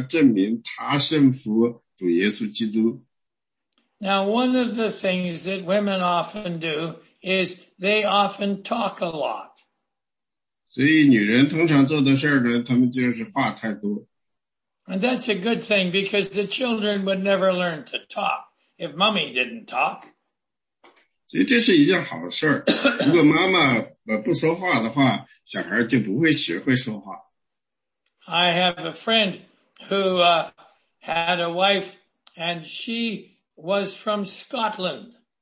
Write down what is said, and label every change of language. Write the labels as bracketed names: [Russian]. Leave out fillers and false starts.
[Chinese] 所以实际上呢，男人呢就是主耶稣的样子，那个女人呢就是教会的样子，主耶，女人呢她顺服家里的男人呢，就是要证明她顺服主耶稣基督。 [English] Now, one of the things that women often do is they often talk a lot. [Chinese] 所以女人通常做的事呢，她们就是话太多。 [English] And that's a good thing, because the children would never learn to talk if mommy didn't talk. [Chinese] 所以这是一件好事，如果妈妈不说话的话，小孩就不会学会说话。 [English] I have a friend who had a wife, and she was from Scotland.